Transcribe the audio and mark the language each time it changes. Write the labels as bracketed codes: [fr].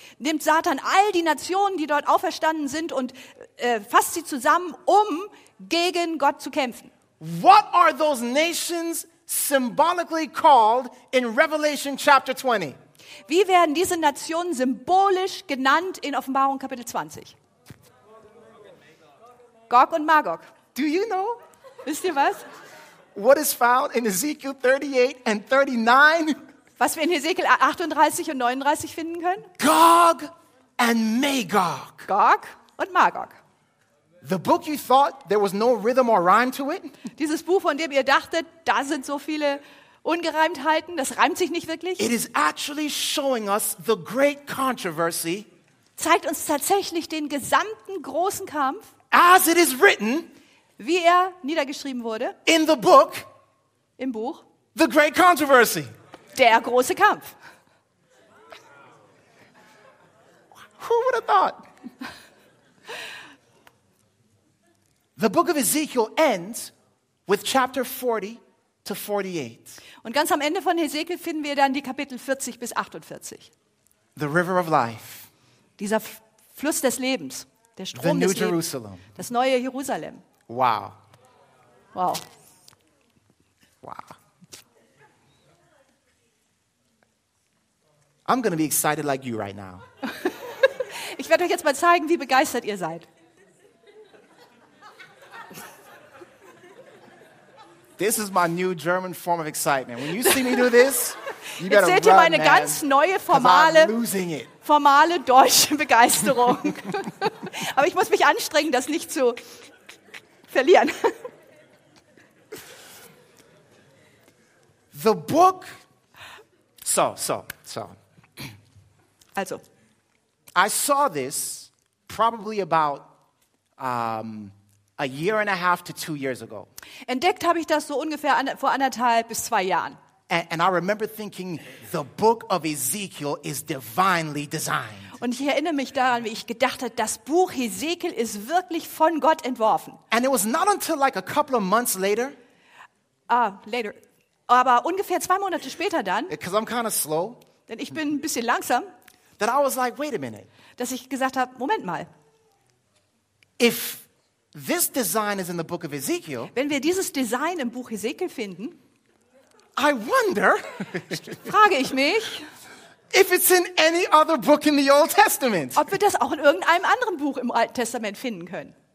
[de] Nimmt Satan all die Nationen, die dort auferstanden sind, und fasst sie zusammen, um gegen Gott zu kämpfen. [en] What are those nations symbolically called in Revelation chapter 20? [de] Wie werden diese Nationen symbolisch genannt in Offenbarung Kapitel 20? Gog und Magog. [en] Do you know? [de] Wisst ihr was? [en] What is found in Ezekiel 38 and 39? [de] Was wir in Hesekiel 38 und 39 finden können? [en] Gog and Magog. [de] Gog und Magog. [en] The book you thought there was no rhythm or rhyme to it? [de] Dieses Buch, von dem ihr dachtet, da sind so viele Ungereimtheiten, das reimt sich nicht wirklich. [en] It is actually showing us the great controversy. [de] Zeigt uns tatsächlich den gesamten großen Kampf. [en] As it is written. [de] Wie er niedergeschrieben wurde. [en] In the book. [de] Im Buch. [en] The great controversy. [de] Der große Kampf. [en] Who would have thought? The book of Ezekiel ends with chapter 40 to 48. [de] Und ganz am Ende von Hesekiel finden wir dann die Kapitel 40 bis 48. [en] The river of life. [de] Dieser Fluss des Lebens, der Strom [en] the [de] des [en] new [de] Lebens. [en] Jerusalem. [de] Das neue Jerusalem. [en] Wow. Wow. Wow. I'm going to be excited like you right now. [de] Ich werde euch jetzt mal zeigen, wie begeistert ihr seid. [en] This is my new German form of excitement. When you see me do this, you better run, man. [de] Jetzt seht ihr meine ganz neue formale, [en] I'm losing it. [de] Formale deutsche Begeisterung. aber ich muss mich anstrengen, das nicht zu verlieren. [en] The book. So. [de] Also. [en] I saw this probably about a year and a half to 2 years ago. [de] Entdeckt habe ich das so ungefähr vor anderthalb bis zwei Jahren. [en] And I remember thinking the book of Ezekiel is divinely designed. [de] Und ich erinnere mich daran, wie ich gedacht habe, das Buch Hesekiel ist wirklich von Gott entworfen. [en] And it was not until like a couple of months later. [de] Later. Aber ungefähr zwei Monate später dann. [en] Because I'm kind of slow. [de] Denn ich bin ein bisschen langsam. [en] That I was like, wait a minute. [de] Dass ich gesagt habe, Moment mal. [en] If this design is in the book of Ezekiel. [de] Wenn wir dieses Design im Buch Hesekiel finden. [en] I wonder. [de] Frage ich mich. [en] If it's in any other book in the Old Testament. [de] Ob wir das auch in irgendeinem anderen Buch im Alten Testament finden können.